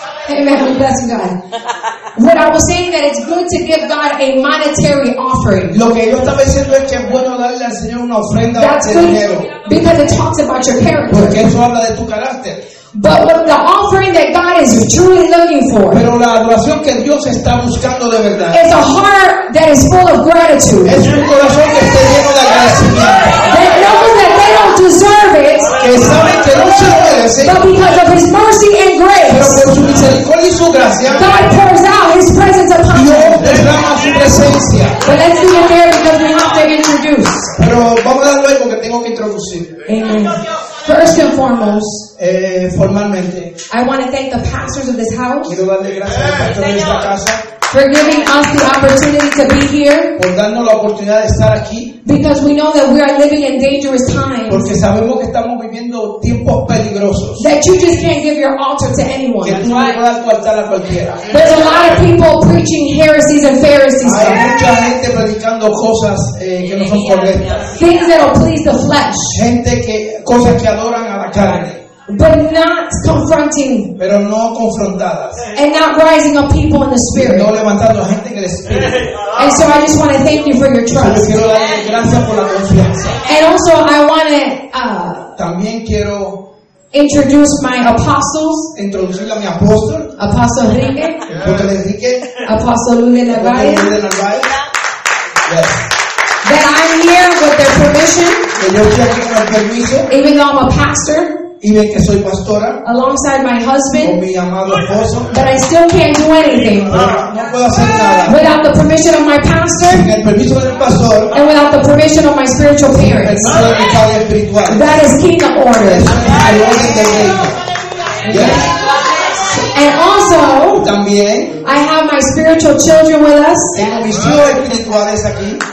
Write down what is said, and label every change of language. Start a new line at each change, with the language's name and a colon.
English: Amen. Bless you, God. What I was saying that it's good to give God a monetary offering.
Spanish: Lo que yo estaba diciendo es que es bueno darle al Señor una ofrenda de dinero.
English: Because it talks about your character.
Spanish: Porque eso habla de tu carácter.
English: But what the offering that God is truly looking for,
Spanish: pero la adoración que Dios está buscando de verdad,
English: is a heart that is full of gratitude.
Spanish: Es un corazón que esté lleno de agradecimiento.
English: That knows that they don't deserve it,
Spanish: que saben que no se lo merecen,
English: but because of His mercy and grace,
Spanish: pero por su misericordia y su gracia,
English: God pours out His presence upon them.
Spanish: Dios derrama su presencia.
English: But let's do it there because we have to introduce.
Spanish: Pero vamos a darlo ahí porque tengo que introducir.
English: Amen. First and foremost,
Spanish: formalmente,
English: I want to thank the pastors of this house.
Spanish: Quiero darle gracias al pastor de esta casa.
English: For giving us the opportunity to be here.
Spanish: Por darnos la oportunidad de estar aquí.
English: Because we know that we are living in dangerous times.
Spanish: Porque sabemos que estamos viviendo tiempos peligrosos.
English: That you just can't give your altar to anyone.
Spanish: Que tú no le puedas tu altar a cualquiera.
English: There's a lot of people preaching heresies and Pharisees.
Spanish: Hay mucha gente predicando cosas que no son correctas.
English: Things that will please the flesh.
Spanish: Gente que, cosas que adoran a la carne.
English: But not confronting,
Spanish: pero no confrontadas,
English: and not rising up people in the spirit.
Spanish: No levantando gente en el espíritu.
English: And so I just want to thank you for your trust.
Spanish: Yo quiero darle gracias por la confianza.
English: And also I want to
Spanish: también quiero
English: introduce my apostles.
Spanish: Introducirle a mi apóstol.
English: Apostle
Spanish: Enrique. Apóstol Enrique.
English: Apostle Lule Narváez. Lule Narváez. Yes. That I'm here with their permission.
Spanish: Que yo estoy aquí con el permiso.
English: Even though I'm a pastor.
Spanish: Y ve que soy pastora,
English: alongside my husband,
Spanish: con mi amado esposo,
English: but I still can't do anything,
Spanish: no puedo hacer nada,
English: without the permission of my pastor,
Spanish: sin el permiso del pastor,
English: and without the permission of my spiritual parents.
Spanish: Sin el permiso de mi padre espiritual.
English: That is kingdom order.
Spanish: El orden de rey.
English: Yes. And also,
Spanish: también,
English: I have my spiritual children with us.
Spanish: Tengo mis hijos espirituales aquí.